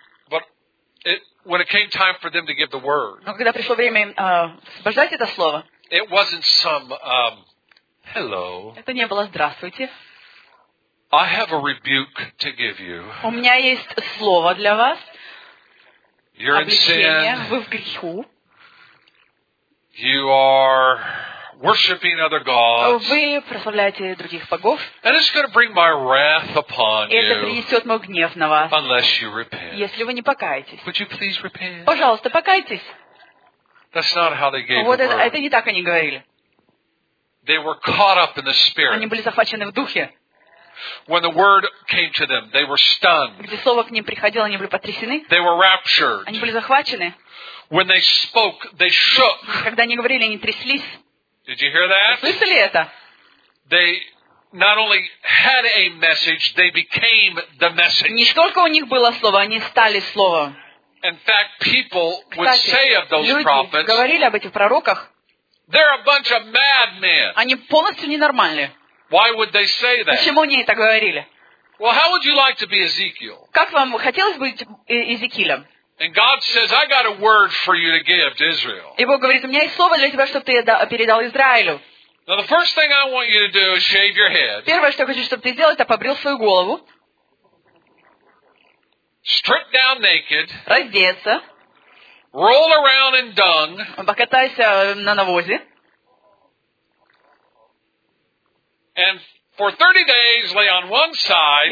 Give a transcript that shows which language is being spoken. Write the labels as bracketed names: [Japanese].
[English] But when it came time for them to give the word. [Russian] Но когда пришло время освобождать это слово. [English] It wasn't some hello. [Russian] Это не было здравствуйте. [English] I have a rebuke to give you. [Russian] У меня есть слово для вас. [English] You're in sin. [Russian] Вы в греху. [English] You are worshiping other gods. [Russian] Вы прославляете других богов. [English] And it's going to bring my wrath upon you. [Russian] Это принесет мой гнев на вас. [English] Unless you repent. [Russian] Если вы не покаетесь. [English] Would you please repent? [Russian] Пожалуйста, покайтесь. [English] That's not how they gave [Russian] вот [English] the word. [Russian] Это не так они говорили. [English] They were caught up in the spirit. [Russian] Они были захвачены в духе. [English] When the word came to them, they were stunned. [Russian] Когда слово к ним приходило, они были потрясены. [English] They were raptured. [Russian] Они были захвачены. [English] When they spoke, they shook. [Russian] Когда они говорили, они тряслись. [English] Did you hear that? [Russian] Слышали это? [English] They not only had a message, they became the message. [Russian] Не только у них было слово, они стали словом. [English] In fact, people would say of those [Russian] люди [English] prophets, [Russian] говорили об этих пророках, [English] they're a bunch of mad men. [Russian] Они полностью ненормальные. [English] Why would they say that? [Russian] Почему они это говорили? [English] Well, how would you like to be Ezekiel? [Russian] Как вам хотелось быть Иезекиилем? [English] And God says, "I got a word for you to give to Israel." [Russian] И Бог говорит, у меня есть слово для тебя, чтобы ты передал Израилю. [English] Now the first thing I want you to do is shave your head. [Russian] Первое, что я хочу, чтобы ты сделал, это побрил свою голову. [English] Strip down naked. [Russian] Раздеться. [English] Roll around in dung. [Russian] Покатайся на навозе. [English] And for 30 days lay on one side.